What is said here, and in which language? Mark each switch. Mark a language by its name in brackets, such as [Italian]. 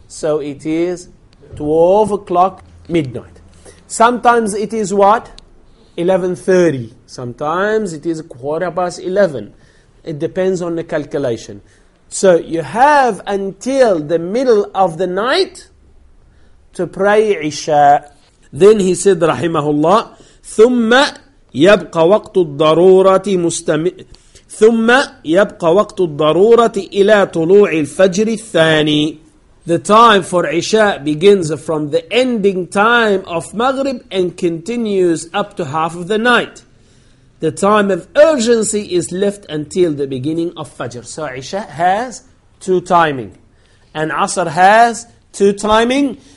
[English] So it is 12 o'clock midnight. Sometimes it is what? 11:30. Sometimes it is 11:15. It depends on the calculation. So you have until the middle of the night to pray Isha. Then he said, [Arabic] Rahimahullah, ثُمَّ يَبْقَ وَقْتُ الضَّرُورَةِ إِلَىٰ طُلُوعِ الْفَجْرِ الثَّانِي. [English] The time for Isha begins from the ending time of Maghrib and continues up to half of the night. The time of urgency is left until the beginning of Fajr. So Isha has two timing. And Asr has two timing.